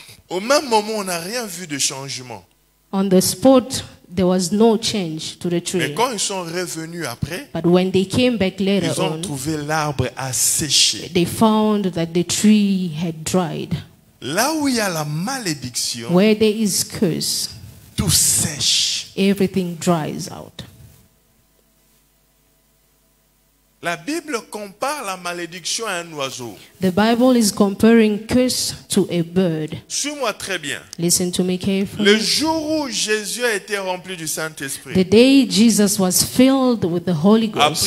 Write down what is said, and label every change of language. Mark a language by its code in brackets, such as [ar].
[fr] Au même moment, on n'a rien vu de changement. [en] On the spot, there was no change to the tree. [fr] Mais quand ils sont revenus après, [en] but when they came back later, [fr] ils ont [en] on, [fr] trouvé l'arbre asséché. [en] They found that the tree had dried. [fr] Là où il y a la malédiction, [en] where there is curse, [fr] tout sèche. [en] Everything dries out. [fr] La Bible compare la malédiction à un oiseau. [en] The Bible is comparing curse to a bird. [fr] Suis-moi très bien. [en] Listen to me carefully. [fr] Le jour où Jésus a été rempli du Saint-Esprit. [en] The day Jesus was filled with the Holy Ghost.